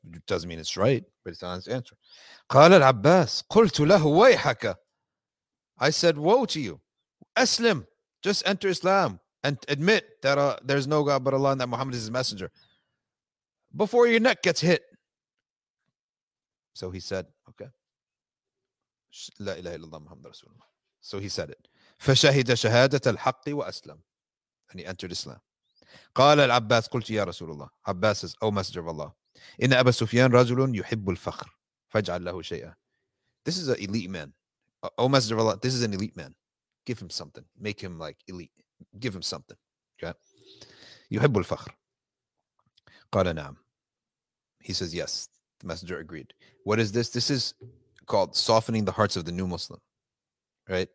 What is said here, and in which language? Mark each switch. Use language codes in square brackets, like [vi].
[en] It doesn't mean it's right, but it's an honest answer. [ar] قال العباس قلت له ويحك. [en] I said, woe to you. Aslim, just enter Islam and admit that there's no God but Allah and that Muhammad is his messenger before your neck gets hit. So he said, okay. [ar] لا إله إلا الله محمد رسول الله. [en] So he said it. [ar] فشهد شهادة الحق وأسلم. [en] And he entered Islam. [ar] قال العباس قلت يا رسول الله. [en] Abbas says, oh messenger of Allah, [ar] إن أبا سفيان رجل يحب الفخر فاجعل له شيئا. [en] This is an elite man. Oh messenger of Allah, this is an elite man. Give him something. Make him like elite. Give him something. Okay. [ar] يحب الفخر. قال نعم. [en] He says, yes. The messenger agreed. What is this? This is called softening the hearts of the new Muslim, right?